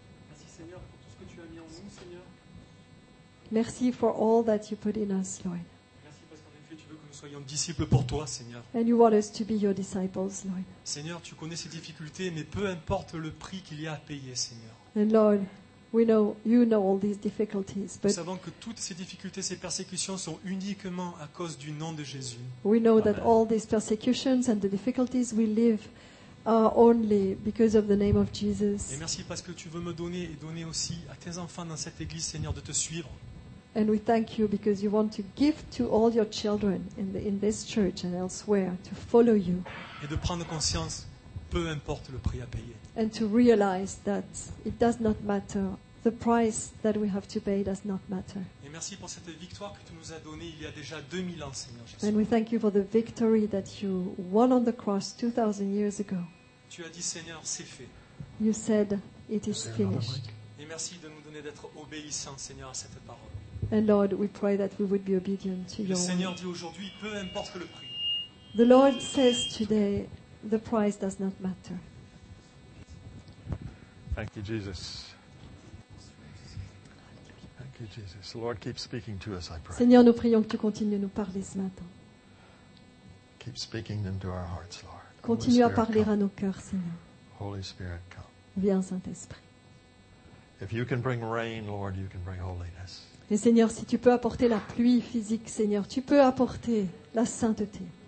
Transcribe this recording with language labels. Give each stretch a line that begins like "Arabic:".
French: Merci Seigneur pour tout ce que tu as mis en nous, Seigneur.
English: Merci for all that you put in us, Lord.
French: Merci parce qu'en effet, tu veux que nous soyons disciples pour toi, Seigneur.
English: And you want us to be your disciples, Lord.
French: Seigneur, tu connais ces difficultés, mais peu importe le prix qu'il y a à payer, Seigneur.
English: And Lord, we know you know all these difficulties, but
French: nous savons que toutes ces difficultés, ces persécutions sont uniquement à cause du nom de Jésus.
English: We know Amen. That all these persecutions and the difficulties we live only because of the name of Jesus.
French: Et merci parce que tu veux me donner et donner aussi à tes enfants dans cette église, Seigneur, de te suivre.
English: And we thank you because you want to give to all your children in this church and elsewhere to follow you.
French: Et de prendre conscience, peu importe le prix à payer.
English: And to realize that it does not matter. The price that we have to pay does not matter.
French: Et merci pour cette victoire que tu nous as donnée il y a déjà 2000 ans, Seigneur Jésus.
English: And we thank you for the victory that you won on the cross 2000 years ago.
French: Tu as dit, Seigneur, c'est fait.
English: You said, it is finished.
French: Et merci de nous donner d'être obéissants, Seigneur, à cette parole.
English: And Lord, we pray that we would be obedient to
French: your. Le Seigneur dit aujourd'hui, peu importe le prix.
English: The Lord says today, the price does not matter. Thank you, Jesus. Thank you, Jesus. The Lord keeps speaking to us, I pray.
French: Seigneur, nous prions que tu continues à nous parler ce matin.
English: Keep speaking into our hearts, Lord.
French: Continue à parler à nos cœurs, Seigneur.
English: Holy Spirit, come.
French: Viens, Saint-Esprit.
English: If you can bring rain, Lord, you can bring holiness.
French: Et Seigneur, si tu peux apporter la pluie physique, Seigneur, tu peux apporter la sainteté.